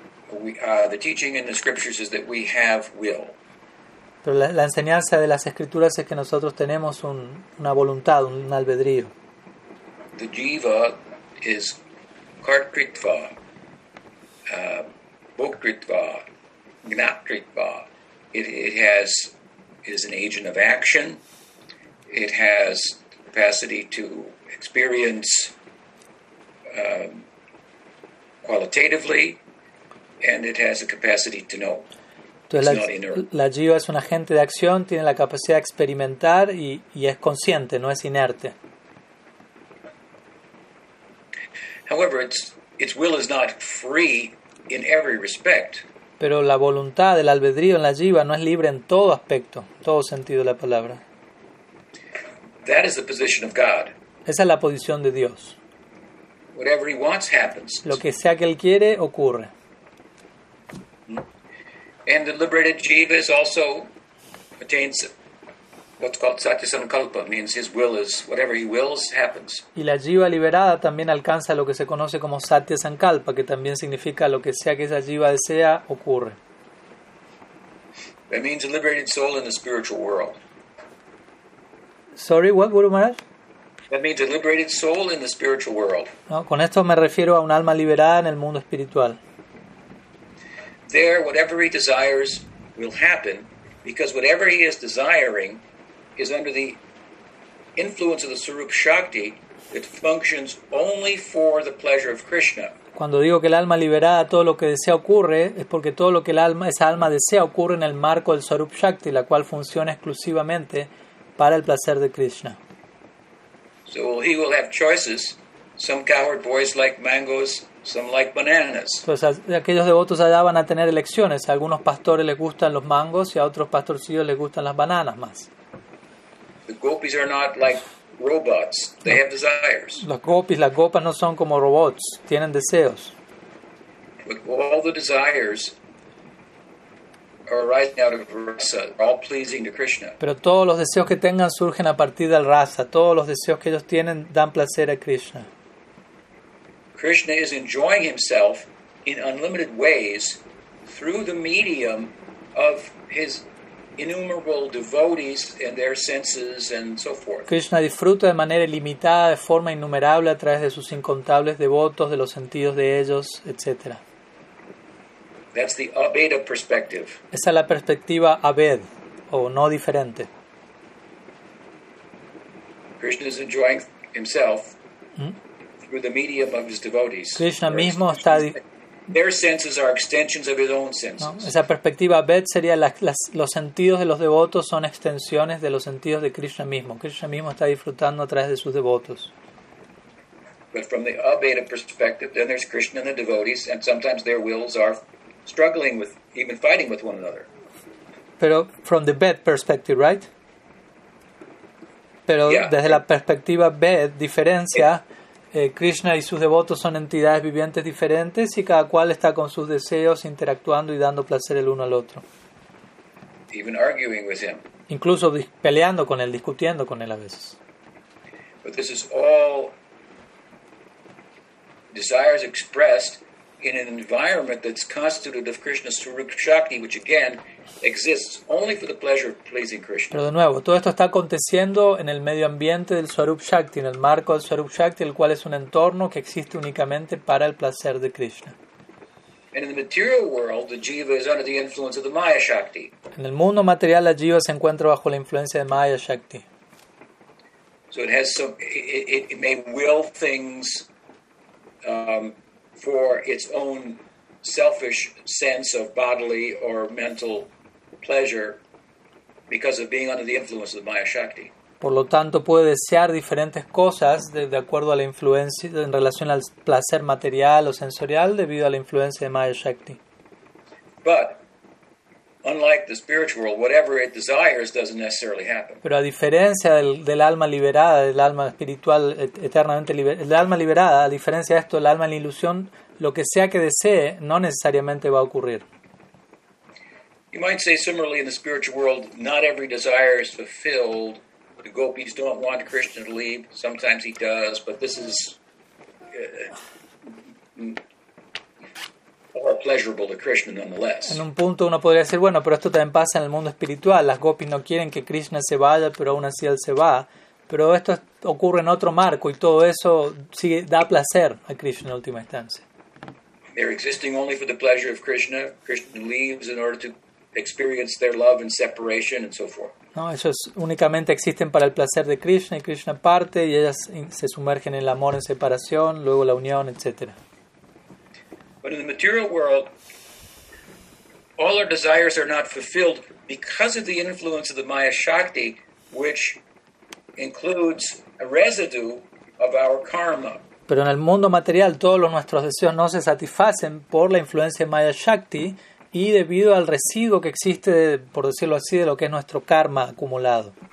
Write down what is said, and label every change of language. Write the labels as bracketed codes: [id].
[en] The teaching in the scriptures is that we have will. [es] Pero la enseñanza de las escrituras es que nosotros tenemos una voluntad, un albedrío. [en] The jiva is kartritva, bhoktritva, gnatritva. It is an agent of action. It has capacity to experience qualitatively, and it has a capacity to know. [es] Entonces, la jiva es un agente de acción, tiene la capacidad de experimentar y es consciente, no es inerte. [en] However, its will is not free in every respect. [es] Pero la voluntad, el albedrío en la jiva no es libre en todo aspecto, en todo sentido de la palabra. [en] That is the position of God. [es] Esa es la posición de Dios. [en] Whatever he wants happens. [es] Lo que sea que él quiere, ocurre. [en] And the liberated jiva also attains what's called satyasankalpa, means his will is whatever he wills happens. [es] Y la jiva liberada también alcanza lo que se conoce como satyasankalpa, que también significa lo que sea que esa jiva desea ocurre. [en] That means a liberated soul in the spiritual world. Sorry, what, Guru Maharaj? That means a liberated soul in the spiritual world. [es] No, con esto me refiero a un alma liberada en el mundo espiritual. [en] There, whatever he desires will happen, because whatever he is desiring is under the influence of the Sarup Shakti that functions only for the pleasure of Krishna. [es] Cuando digo que el alma liberada todo lo que desea ocurre, es porque todo lo que esa alma desea ocurre en el marco del Sarup Shakti, la cual funciona exclusivamente para el placer de Krishna. [en] So he will have choices. Some coward boys like mangoes. Some like bananas. [es] Pues aquellos devotos allá van a tener elecciones. A algunos pastores les gustan los mangos y a otros pastorcillos les gustan las bananas más. [en] The gopis are not like robots. They have desires. [es] Los gopis, las gopas no son como robots. Tienen deseos. [en] But all the desires are arising out of rasa, all pleasing to Krishna. [es] Pero todos los deseos que tengan surgen a partir del rasa. Todos los deseos que ellos tienen dan placer a Krishna. [en] Krishna is enjoying himself in unlimited ways through the medium of his innumerable devotees and their senses and so forth. [es] Krishna disfruta de manera ilimitada, de forma innumerable, a través de sus incontables devotos, de los sentidos de ellos, etc. [en] That's the Abheda perspective. [es] Esa es la perspectiva Abed, o no diferente. [en] Krishna is enjoying himself through the medium of his devotees. [es] Krishna mismo está. [en] Their senses are extensions of his own senses. [es] No, esa perspectiva Ved sería los sentidos de los devotos son extensiones de los sentidos de Krishna mismo. Krishna mismo está disfrutando a través de sus devotos. [en] But from the Abheda perspective, then there's Krishna and the devotees, and sometimes their wills are struggling with, even fighting with one another. [es] Pero [en] from the Ved perspective, right? Pero yeah. [es] Desde la perspectiva Ved, diferencia. Krishna y sus devotos son entidades vivientes diferentes y cada cual está con sus deseos interactuando y dando placer el uno al otro. [en] Even arguing with him. [es] Incluso peleando con él, discutiendo con él a veces. [en] But this is all desires expressed in an environment that's constituted of Krishna's Swarup Shakti, which again exists only for the pleasure of pleasing Krishna. [es] Pero de nuevo, todo esto está aconteciendo en el medio ambiente del Swarup Shakti, en el marco del Swarup Shakti, el cual es un entorno que existe únicamente para el placer de Krishna. [en] And in the material world, the jiva is under the influence of the Maya Shakti. [es] En el mundo material, la jiva se encuentra bajo la influencia de Maya Shakti. [en] So it has some. It may will things for its own selfish sense of bodily or mental pleasure because of being under the influence of the Maya Shakti. [es] Por lo tanto, puede desear diferentes cosas de acuerdo a la influencia en relación al placer material o sensorial debido a la influencia de Maya Shakti. [en] But unlike the spiritual world, whatever it desires doesn't necessarily happen. [es] Pero a diferencia del alma liberada, del alma espiritual eternamente liberada, el alma liberada, a diferencia de esto, el alma en la ilusión, lo que sea que desee, no necesariamente va a ocurrir. [en] You might say similarly in the spiritual world, not every desire is fulfilled. The gopis don't want Krishna to leave. Sometimes he does, but this is pleasurable to Krishna nonetheless. [es] En un punto uno podría decir, bueno, pero esto también pasa en el mundo espiritual. Las gopis no quieren que Krishna se vaya, pero aún así él se va. Pero esto ocurre en otro marco y todo eso sí da placer a Krishna en última instancia. [en] They're existing only for the pleasure of Krishna. Krishna leaves in order to experience their love and separation and so forth. [es] No, ellos únicamente existen para el placer de Krishna y Krishna parte y ellas se sumergen en el amor, en separación, luego la unión, etc. [en] But in the material world, all our desires are not fulfilled because of the influence of the Maya Shakti, which includes a residue of our karma. [es] Pero en el mundo material, todos nuestros deseos no se satisfacen por la influencia de Maya Shakti y debido al residuo que existe, por decirlo así, de lo que es nuestro karma acumulado.